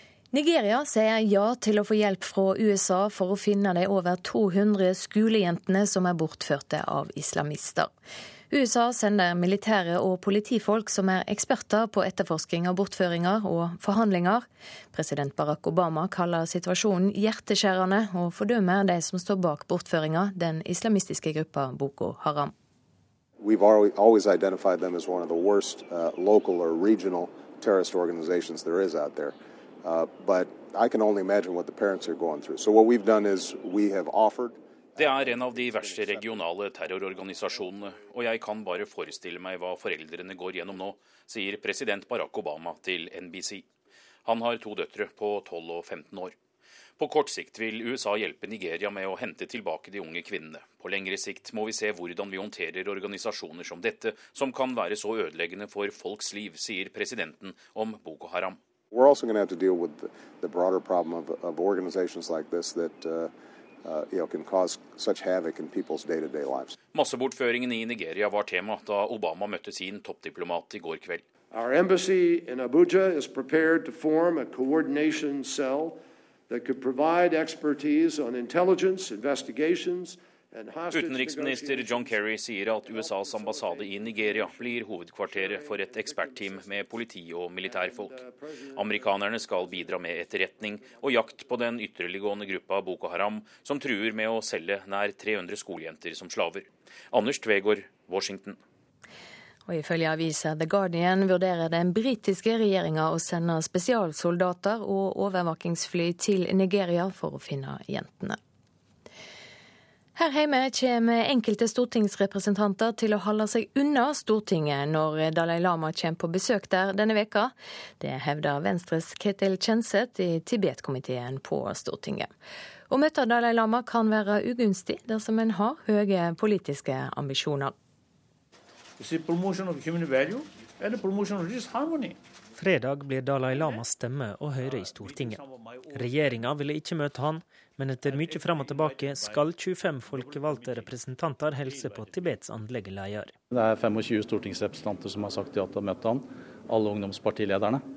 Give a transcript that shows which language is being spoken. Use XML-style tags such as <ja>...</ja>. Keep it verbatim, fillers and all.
<no>Nigeria sier ja til å få hjelp fra U S A for å finne de over to hundre skolejentene som er bortførte av islamister. U S A sender militære og politifolk som er eksperter på etterforsking av bortføringer og forhandlinger. President Barack Obama kaller situasjonen hjerteskjærende og fordømmer de som står bak bortføringer, den islamistiske gruppa Boko Haram.</no> <en>We've always identified them as one of the worst uh, local or regional terrorist organizations there is out there. Uh, but I can only imagine what the parents are going through. So what we've done is we have offered...</en> <no>Det er en av de verste regionale terrororganisasjonene, og jeg kan bare forestille meg hva foreldrene går gjennom nå, sier president Barack Obama til N B C. Han har to døtre på tolv og femten år. På kort sikt vil U S A hjelpe Nigeria med å hente tilbake de unge kvinnene. På lengre sikt må vi se hvordan vi håndterer organisasjoner som dette, som kan være så ødeleggende for folks liv, sier presidenten om Boko Haram.</no> <en>We're also going to have to deal with the broader problem of, of organizations like this that uh, uh, you know, can cause such havoc in people's day-to-day lives.</en> <no>Massebortføringen i Nigeria var tema da Obama møtte sin toppdiplomat i går kveld.</no> <en>Our embassy in Abuja is prepared to form a coordination cell that could provide expertise on intelligence, investigations.</en> <no>Utenriksminister John Kerry sier at U S As ambassade i Nigeria blir hovedkvarteret for et ekspertteam med politi og militærfolk. Amerikanerne skal bidra med etterretning og jakt på den ytterliggående gruppa Boko Haram, som truer med å selge nær tre hundre skolejenter som slaver. Anders Tvegård, Washington. Og ifølge avisa The Guardian vurderer den britiske regjeringa å sende spesialsoldater og overvåkingsfly til Nigeria for å finne jentene. Her hjemme kommer enkelte stortingsrepresentanter til å holde seg unna Stortinget når Dalai Lama kommer på besøk der denne veka. Det hevder Venstres Ketil Kjenseth i Tibet-komiteen på Stortinget. Å møte Dalai Lama kan være ugunstig dersom en har høye politiske ambisjoner.</no> <en>It's a promotion of human value and a promotion of this harmony.</en> <no>Fredag blir Dalai Lamas stemme å høre i Stortinget. Regjeringa ville ikke møte han, men etter mye fram og tilbake skal tjuefem folkevalgte representanter helse på Tibets anleggeleder. Det er tjuefem stortingsrepresentanter som har sagt ja til å møte han, alle ungdomspartilederne.</no>